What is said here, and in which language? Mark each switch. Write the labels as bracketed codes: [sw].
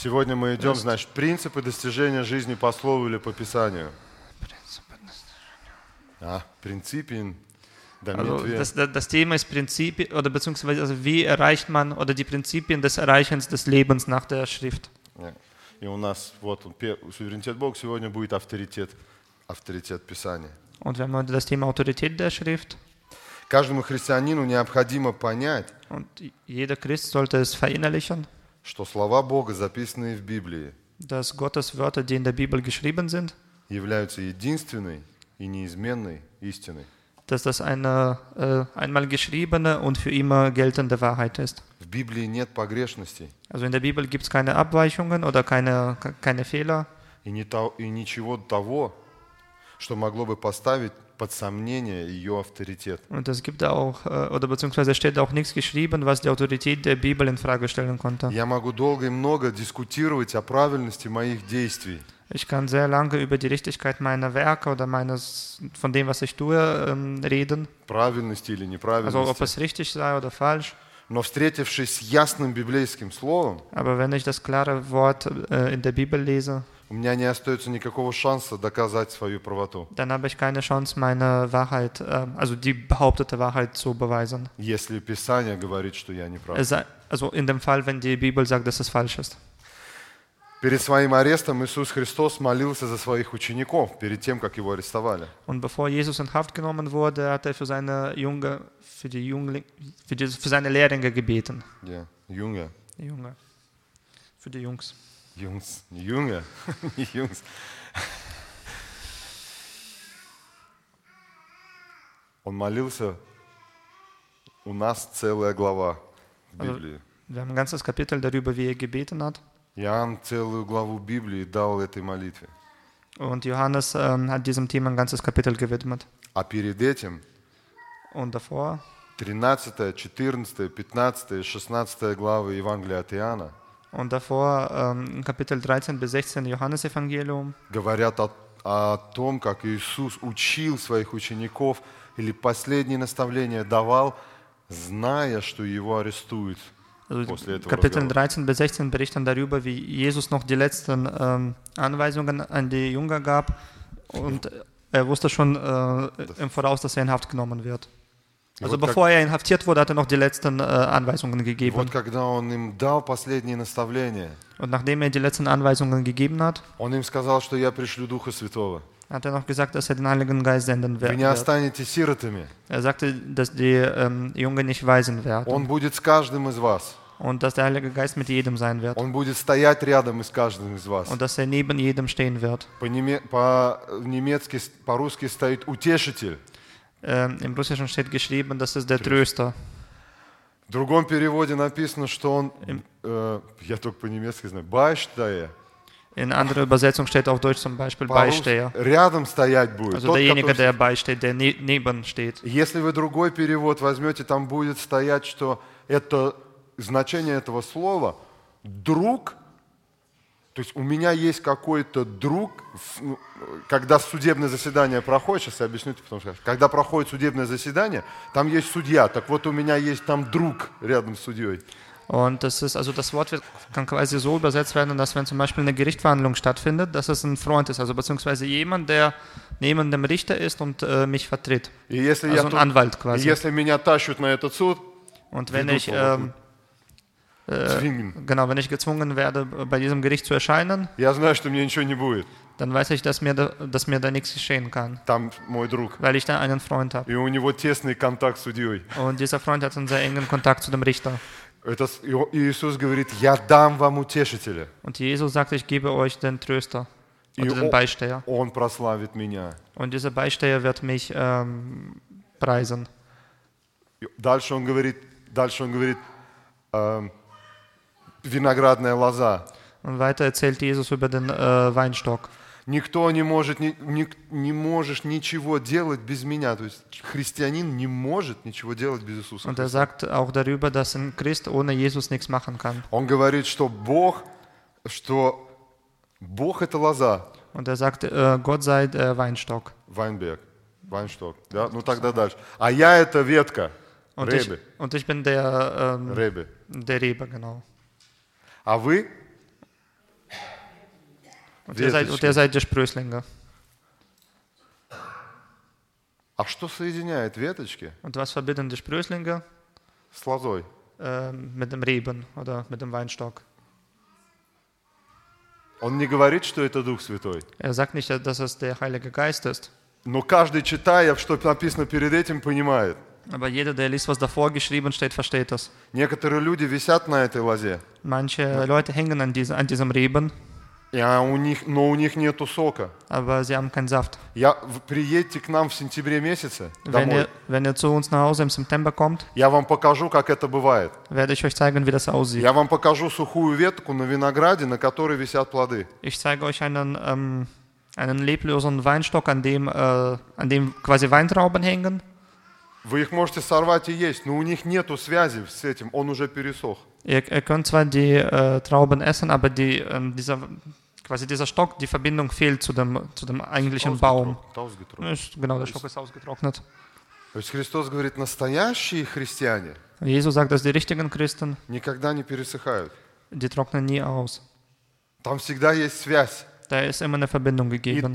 [ru] Сегодня мы идем, значит, принципы достижения жизни по слову или по Писанию. [de] Принципен. Also das Thema ist Prinzipien oder beziehungsweise also wie erreicht man oder die Prinzipien des Erreichens des Lebens nach der Schrift. [ru] И у нас вот суверенитет Бога сегодня будет авторитет Писания. [de] Und wir haben heute das Thema Autorität der Schrift. [ru] Каждому христианину необходимо понять. [de] Und jeder Christ sollte es verinnerlichen. [ru] Что слова Бога, записанные в Библии. [de] Dass Gottes Wörter, die in der Bibel geschrieben sind. [ru] Являются единственной и неизменной истиной. [de] Dass das eine einmal geschriebene und für immer geltende Wahrheit ist. [ru] В Библии нет погрешностей. [de] Also in der Bibel gibt's keine Abweichungen oder keine Fehler. [ru] И ничего того, что могло бы поставить под сомнение ее авторитет. [de] Und es gibt auch oder beziehungsweise steht auch nichts geschrieben, was die Autorität der Bibel in Frage stellen konnte. [ru] Я могу долго и много дискутировать о правильности моих действий. [de] Ich kann sehr lange über die Richtigkeit meiner Werke oder von dem, was ich tue, reden. [ru] Правильности или неправильности. [de] Also ob es richtig sei oder falsch. [ru] Но встретившись с ясным библейским словом, [de] aber wenn ich das klare Wort in der Bibel lese, [ru] у меня не остается никакого шанса доказать свою правоту. [de] Dann habe ich keine Chance, meine Wahrheit, also die behauptete Wahrheit zu beweisen. [ru] Если Писание говорит, что я не прав. [de] Also in dem Fall, wenn die Bibel sagt, dass es falsch ist. [ru] Перед своим арестом Иисус Христос молился за своих учеников, перед тем, как его арестовали. [de] Und bevor Jesus in Haft genommen wurde, hat er für seine Lehrlinge gebeten. Ja, Jünger. Jünger. Für die Jungs. Jungs, Jünger, nicht Jungs. [ru] Он молился. У нас целая глава в Библии. [de] Also, wir haben ein ganzes Kapitel darüber, wie er gebeten hat. [ru] Иоанн целую главу Библии дал этой молитве. [de] Und Johannes hat diesem Thema ein ganzes Kapitel gewidmet. [ru] А перед этим, [de] und davor, [ru] 13, 14, 15, 16 главы Евангелия от Иоанна, [de] und davor, Kapitel 13 bis 16 Johannes-Evangelium, [ru] говорят о том, как Иисус учил своих учеников или последние наставления давал, зная, что его арестуют. [de] Also, Kapitel 13 bis 16 berichten darüber, wie Jesus noch die letzten Anweisungen an die Jünger gab und er wusste schon im Voraus, dass er in Haft genommen wird. Also bevor er inhaftiert wurde, hat er noch die letzten Anweisungen gegeben. Und nachdem er die letzten Anweisungen gegeben hat, hat er noch gesagt, dass er den Heiligen Geist senden wird. Er sagte, dass die Jünger nicht weisen werden. Und dass der Heilige Geist mit jedem sein wird. [ru] Он будет стоять рядом с каждым из вас. [de] Und dass er neben jedem stehen wird. [ru] По-немецки, по-русски стоит утешитель. [de] Im Russischen steht geschrieben, dass es der Tröster. [ru] В другом переводе написано, что он, я только по-немецки знаю, Beisteher. [de] In anderer Übersetzung steht auf Deutsch zum Beispiel Beisteher. [ru] Рядом стоять будет. [de] Also derjenige, der beisteht, der neben steht. [ru] Если вы другой перевод возьмете, там будет стоять, что это значение этого слова «друг», то есть у меня есть какой-то друг, когда судебное заседание проходит, сейчас я объясню, потом скажу, когда проходит судебное заседание, там есть судья, так вот у меня есть там друг рядом с судьей. [de] Und das ist, also das Wort kann quasi so übersetzt werden, dass wenn zum Beispiel eine Gerichtsverhandlung stattfindet, dass es ein Freund ist, also beziehungsweise jemand, der neben dem Richter ist und mich vertritt, also ein Anwalt quasi. Und [ru] если меня тащут на этот суд, [de] und wenn ich wenn ich gezwungen werde, bei diesem Gericht zu erscheinen, dann weiß ich, dass mir da nichts geschehen kann, weil ich da einen Freund habe. Und dieser Freund hat einen sehr engen Kontakt zu dem Richter. Und Jesus sagt, ich gebe euch den Tröster oder den Beisteher. Und dieser Beisteher wird mich preisen. [ru] Dальше он говорит, виноградная лоза. [de] Und weiter erzählt Jesus über den Weinstock. [ru] Никто не может, не можешь ничего делать без меня. То есть христианин не может ничего делать без Иисуса. [de] Und er sagt auch darüber, dass ein Christ ohne Jesus nichts machen kann. [ru] Он говорит, что Бог это лоза. [de] Und er sagt, Gott sei der Weinstock. Weinberg, Weinstock. [ru] Ja, ну тогда дальше. А я это ветка. [de] Und ich bin der Der Rebe, genau. [ru] А вы? [de] Und ihr seid die Sprösslinge. [ru] А что соединяет веточки? [de] Und was verbinden die Sprösslinge? [ru] С лозой. [de] Mit dem Reben oder mit dem Weinstock. [ru] Он не говорит, что это Дух Святой. [de] Er sagt nicht, dass es der Heilige Geist ist. [ru] Но каждый, читая, что написано перед этим, понимает. [de] Aber jeder, der liest, was davor geschrieben steht, versteht das. [ru] Некоторые люди висят на этой лозе. [de] Manche Leute hängen an diesem Reben. [ru] Ja, но у них нету сока. [de] Aber sie haben keinen Saft. [ru] Ja, приедьте к нам в сентябре месяце домой. [de] Wenn ihr zu uns nach Hause im September kommt, [ru] я вам покажу, как это бывает. [de] Werde ich euch zeigen, wie das aussieht. [ru] Я вам покажу сухую ветку на винограде, на которой висят плоды. [de] Ich zeige euch einen leblosen Weinstock, an dem quasi Weintrauben hängen. [ru] Вы их можете сорвать и есть, но у них нету связи с этим, он уже пересох. [de] Ihr könnt zwar die Trauben essen, aber dieser Stock, die Verbindung fehlt zu dem eigentlichen Baum. Genau, der Stock ist ausgetrocknet. [ru] Христос говорит, настоящие христиане. [de] Jesus sagt, dass die richtigen Christen [ru] никогда не пересыхают. [de] Die trocknen nie aus. [ru] Там всегда есть связь. [de] Da ist immer eine Verbindung gegeben.